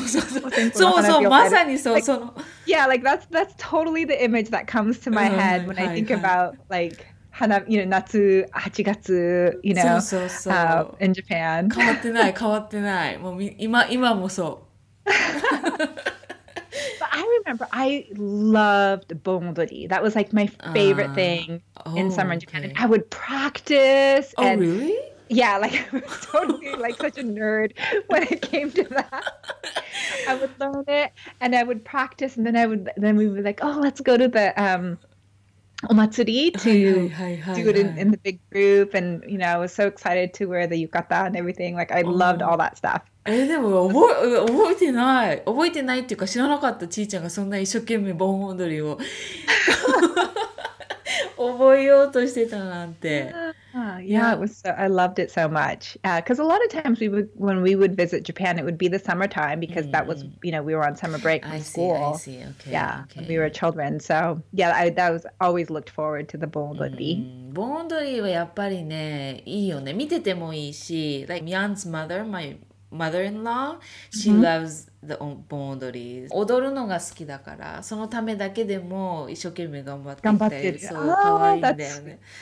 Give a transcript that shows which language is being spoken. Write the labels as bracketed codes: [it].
[ja] そうそうまさにそう、その、 [en] yeah, like that's totally the image that comes to my head when I think about like 花、you know, 夏、8月、you know, in Japan. [ja] 変わってない、変わってない。もう今もそう。 [en] But I remember I loved bondori. That was like my favorite thing in summer in Japan. I would practice. Oh, really? Yeah, like I was totally like such a nerd when it came to that. I would learn it and I would practice and then we would be like, oh, let's go to the omatsuri to do it in the big group. And, you know, I was so excited to wear the yukata and everything. Like, I loved all that stuff. [ja] でも覚えてない。覚えてないっていうか知らなかった。ちーちゃんがそんな一生懸命盆踊りを覚えようとしてたなんて。 [en] Yeah, it was so, I loved it so much. Because a lot of times when we would visit Japan, it would be the summertime because that was, you know, we were on summer break from school. I see, okay. Yeah, okay. When we were children. So, yeah, that was always looked forward to the 盆踊り。 [ja] 盆踊りはやっぱりね、いいよね。見ててもいいし、 [en] like Mian's mother, my mother-in-law, she loves the 盆踊り。 [ja] 踊るのが好きだから、そのためだけでも一生懸命頑張って頑張ってる。そう、かわいいんだよね。